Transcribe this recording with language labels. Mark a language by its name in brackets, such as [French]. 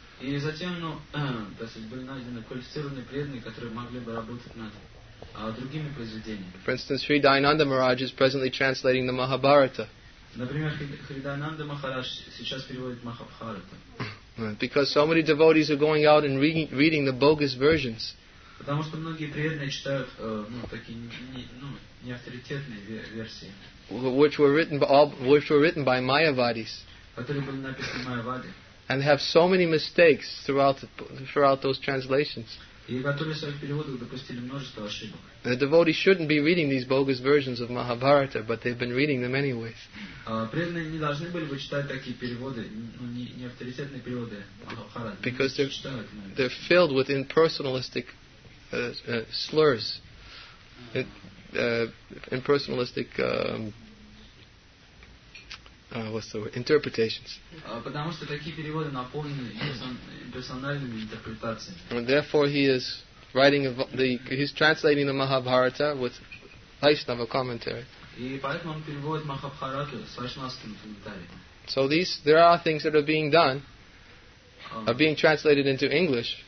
[English] For instance, Sri Dayananda Maharaj is presently translating the Mahabharata. [Russian] Например, Хридаянанда Махарадж сейчас переводит Махабхарата. [English] Right, because so many devotees are going out and reading the bogus versions. [Russian] Потому что многие преданные читают неавторитетные версии. [English] Which were written by Mayavadis. [Russian] Которые были написаны Майявади. [English] And have so many mistakes throughout those translations. [Russian] И которые в своих переводах допустили множество ошибок. [English] The devotee shouldn't be reading these bogus versions of Mahabharata, but they've been reading them anyways. [Russian] Преданные не должны были бы читать такие переводы, неавторитетные переводы Махабхараты. [English] Because they're filled with impersonalistic slurs, impersonalistic what's the word? Interpretations. [Russian] Потому что такие переводы наполнены персональными интерпретациями. [English] And therefore, he's translating the Mahabharata with Vaishnava commentary. [Russian] И поэтому он переводит Махабхарату с вайшнавским комментарием. [English] So there are things that are being done. Are being translated into English.